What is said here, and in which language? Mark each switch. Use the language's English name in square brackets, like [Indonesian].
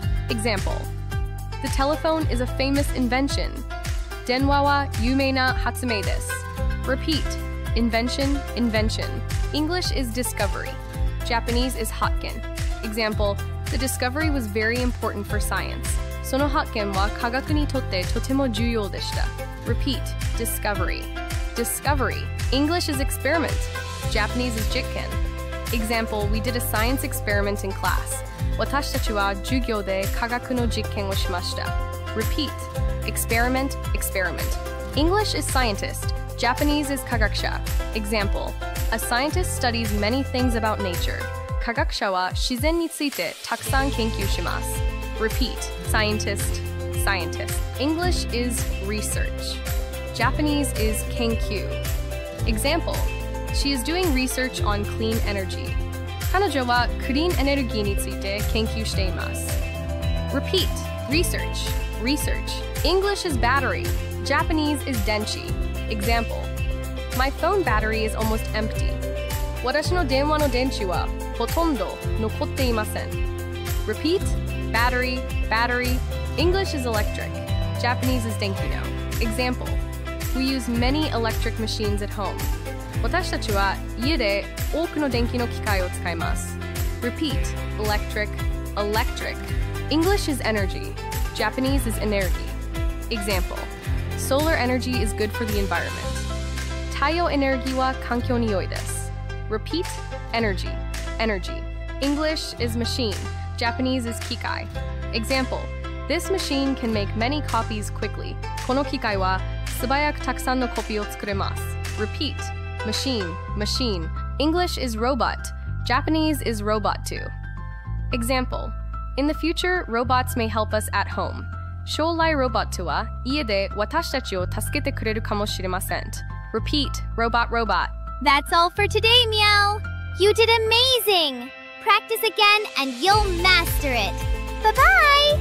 [English] Example: The telephone is a famous invention. [Japanese] Denwa wa yume na hatsume desu. [English] Repeat: Invention, invention. English is discovery. Japanese is hatken. Example: The discovery was very important for science. [Japanese] その発見は科学にとってとても重要でした。 [English] Repeat, discovery. Discovery. English is experiment. Japanese is jitken. Example, we did a science experiment in class. [Japanese] 私たちは授業で科学の実験をしました。 [English] Repeat, experiment, experiment. English is scientist. Japanese is 科学者. Example, a scientist studies many things about nature. [Japanese] 科学者は自然についてたくさん研究します。 [English] Repeat, scientist, scientist. English is research. Japanese is kenkyu. Example, she is doing research on clean energy. [Japanese] 彼女はクリーンエネルギーについて研究しています。 [English] Repeat, research, research. English is battery. Japanese is denchi. Example, my phone battery is almost empty. [Japanese] 私の電話の電池はほとんど残っていません。 [English] Repeat, battery, battery. English is electric. Japanese is denkino. Example, we use many electric machines at home. [Japanese] 私たちは家で多くの電気の機械を使います。 [English] Repeat, electric, electric. English is energy. Japanese is energy. Example, solar energy is good for the environment. [Japanese] 太陽エネルギーは環境に良いです。 [English] Repeat, energy, energy. English is machine. Japanese is kikai. Example, this machine can make many copies quickly. [Japanese] この機械は素早くたくさんのコピーを作れます。 [English] Repeat, machine, machine. English is robot. Japanese is robot too. Example, in the future, robots may help us at home. [Japanese] 将来ロボットは家で私たちを助けてくれるかもしれません。 [English] Repeat, robot, robot. That's all for today, Meow. You did amazing!Practice again and you'll master it. Bye-bye!